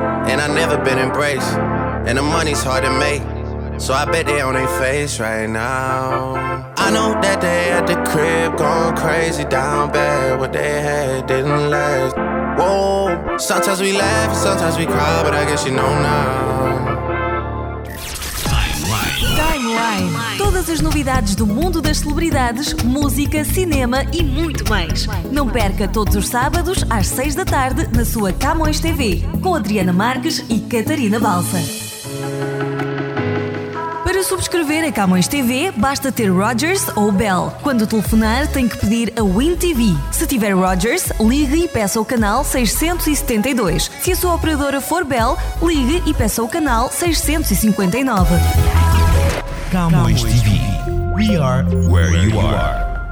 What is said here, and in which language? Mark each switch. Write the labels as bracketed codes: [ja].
[en] And I never been embraced, and the money's hard to make. So I bet they on their face right now. I know that they at the crib, going crazy down bad. What they had didn't last. Whoa. Sometimes we laugh, sometimes we cry, but I guess you know now. Timeline. [pt] Todas as novidades do mundo das celebridades, música, cinema e muito mais. Não perca todos os sábados às 6 da tarde na sua Camões TV, com Adriana Marques e Catarina Balsa. Para subscrever a Camões TV, basta ter Rogers ou Bell. Quando telefonar, tem que pedir a Win TV. Se tiver Rogers, ligue e peça o canal 672. Se a sua operadora for Bell, ligue e peça o canal 659. [en] Camões TV. We are where you are.